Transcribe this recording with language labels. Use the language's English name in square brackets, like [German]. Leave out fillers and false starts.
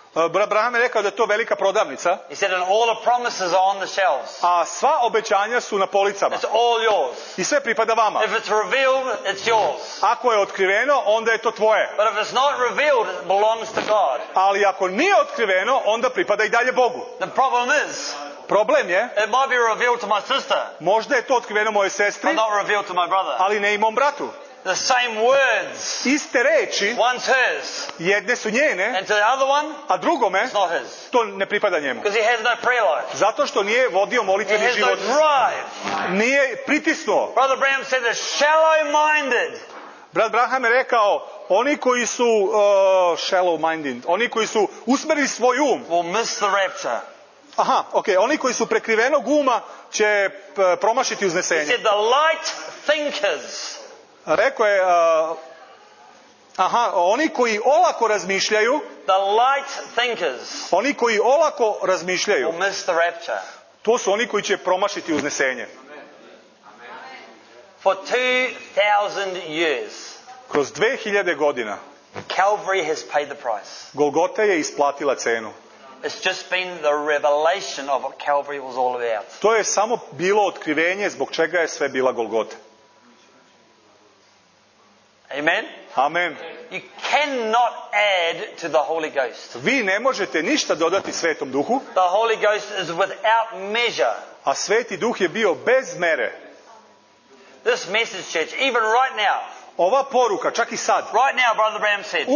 [Serbian] Brat Branham je rekao da je to velika prodavnica. [English] He said that all the promises are on the shelves. [Serbian] A sva obećanja su na policama. [English] It's all yours. [Serbian] I sve pripada vama. [English] If it's revealed, it's yours. [Serbian] Ako je otkriveno, onda je to tvoje. [English] But if it's not revealed, it belongs to God. [Serbian] Ali ako nije otkriveno, onda pripada i dalje Bogu. [English] The problem is, [Serbian] problem je, [English] it might be revealed to my sister. [Serbian] Možda je to otkriveno mojoj sestri, [English] but not revealed to my brother. [Serbian] Ali ne i mom bratu. [English] The same words. [Serbian] Iste reči. [English] One's hers. [Serbian] Jedne su njene. [English] And to the other one. [Serbian] A drugome. [English] It's not his. [Serbian] To ne pripada njemu. [English] Because he has no prayer life. [Serbian] Zato što nije vodio molitveni život. [English] He has no drive. [Serbian] Nije pritisnuo. [English] Brother Branham said they're shallow-minded. [Serbian] Brat Branham je rekao, oni koji su shallow-minded, oni koji su usmerili svoj um, [English] will miss the rapture. [Serbian] Aha, okay, oni koji su prekrivenog uma će promašiti uznesenje. [English] He said the light thinkers. [Serbian] Rekao je, oni koji olako razmišljaju, [English] the light thinkers, [Serbian] oni koji olako razmišljaju, [English] will miss the rapture. [Serbian] To su oni koji će promašiti uznesenje. [English] For 2000 years, [Serbian] kroz 2000 godina, [English] Calvary has paid the price. [Serbian] Golgota je isplatila cenu. [English] It's just been the revelation of what Calvary was all about. [Serbian] To je samo bilo otkrivenje zbog čega je sve bila Golgota. [English] Amen. [Serbian] Amen. [English] You cannot add to the Holy Ghost. [Serbian] Vi ne možete ništa dodati Svetom Duhu. [English] The Holy Ghost is without measure. [Serbian] A Sveti Duh je bio bez mere. [English] This message, church, even right now. [Serbian] Ova poruka, čak i sad. [English] Right now, Brother Bram said.